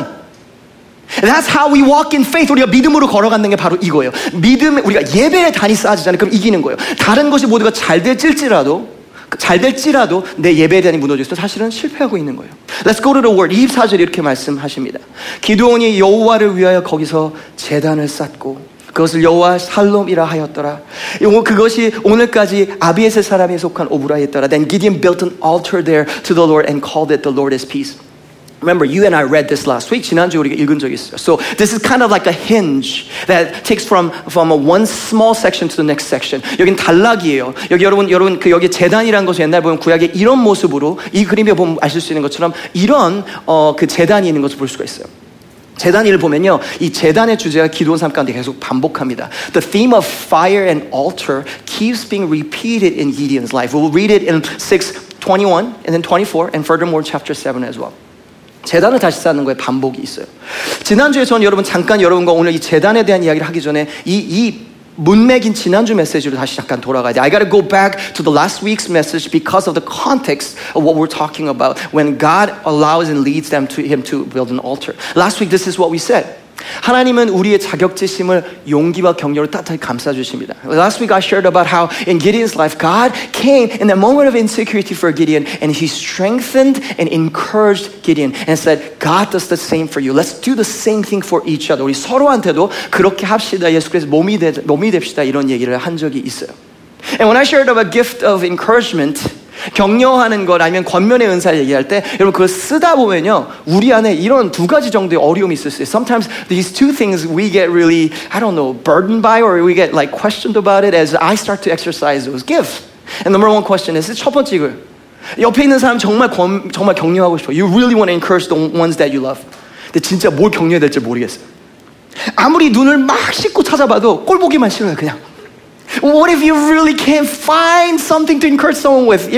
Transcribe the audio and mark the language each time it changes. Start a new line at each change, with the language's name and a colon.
English: And that's how we walk in faith.
Korean: 우리가 믿음으로 걸어가는 게 바로 이거예요. 믿음, 우리가 예배에 단이 쌓아지잖아요. 그럼 이기는 거예요. 다른 것이 모두가 잘 될지라도 내 예배에 단이 무너져서 사실은 실패하고 있는 거예요.
English: Let's go to the word.
Korean: 24절 이렇게 말씀하십니다. 기드온이 여호와를 위하여 거기서 제단을 쌓고 그것을 여호와 살롬이라 하였더라. 그것이 오늘까지 아비에셀 사람에 속한 오브라였더라.
English: Then Gideon built an altar there to the Lord and called it the Lord is peace. Remember, you and I read this last week.
Korean: 지난주에 우리가 읽은 적이 있어요.
English: So this is kind of like a hinge that takes from a one small section to the next section.
Korean: 여긴 단락이에요. 여기 여러분 그 여기 제단이라는 것이 옛날 보면 구약에 이런 모습으로 이 그림에 보면 아실 수 있는 것처럼 이런 그 제단이 있는 것을 볼 수가 있어요. 제단을 보면요, 이 제단의 주제가 기드온 삶 가운데 계속 반복합니다.
English: The theme of fire and altar keeps being repeated in Gideon's life. We'll read it in 6:21 and then 24 and furthermore chapter 7 as well.
Korean: 제단을 다시 쌓는 거에 반복이 있어요. 지난주에 저는 여러분 잠깐 여러분과 오늘 이 제단에 대한 이야기를 하기 전에 이 문맥인 지난주 메시지로 다시 잠깐 돌아가야 돼.
English: I gotta go back to the last week's message because of the context of what we're talking about when God allows and leads them to him to build an altar. Last week, this is what we said.
Korean: 하나님은 우리의 자격지심을 용기와 격려로 따뜻하게 감싸주십니다.
English: Last week I shared about how in Gideon's life God came in the moment of insecurity for Gideon and he strengthened and encouraged Gideon and said God does the same for you. Let's do the same thing for each other.
Korean: 우리 서로한테도 그렇게 합시다. 예수 그리스도 몸이 됩시다. 이런 얘기를 한 적이 있어요.
English: And when I shared about gift of encouragement
Korean: 격려하는 것 아니면 권면의 은사 얘기할 때 여러분 그걸 쓰다 보면요 우리 안에 이런 두 가지 정도의 어려움이 있을 수 있어요.
English: Sometimes these two things we get really, I don't know, burdened by or we get like questioned about it as I start to exercise those gifts. And number one question is
Korean: 첫 번째 이걸 옆에 있는 사람 정말 격려하고 싶어.
English: You really want to encourage the ones that you love.
Korean: 근데 진짜 뭘 격려해야 될지 모르겠어. 아무리 눈을 막 씻고 찾아봐도 꼴 보기만 싫어요 그냥.
English: What if you really can't find something to encourage someone with?